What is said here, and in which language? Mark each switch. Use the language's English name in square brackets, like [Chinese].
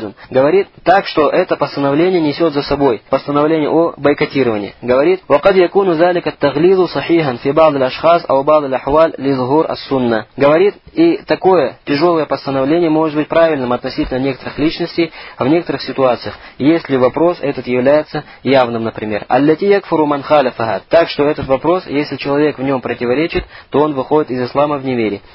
[Russian] Говорит так, что это постановление несет за собой постановление о бойкотировании. Говорит, [Arabic] وَقَدْ يَكُونُ ذَلِكَ التَّغْلِيظُ صَحِيحًا فِي بَعْضِ الْأَشْخَاصِ أَوْ بَعْضِ الْأَحْوَالِ لِظُهُورِ السُنَّةِ. [Russian] Говорит, и такое тяжелое постановление может быть правильным относительно некоторых личностей, а в некоторых ситуациях, если вопрос этот является явным, например. [Arabic] أَلَّتِي يَكْفُرُ مَنْ خَالَفَهَا. [Russian] Так что этот вопрос, если человек в нем противоречит, то он выходит из ислама в неверии.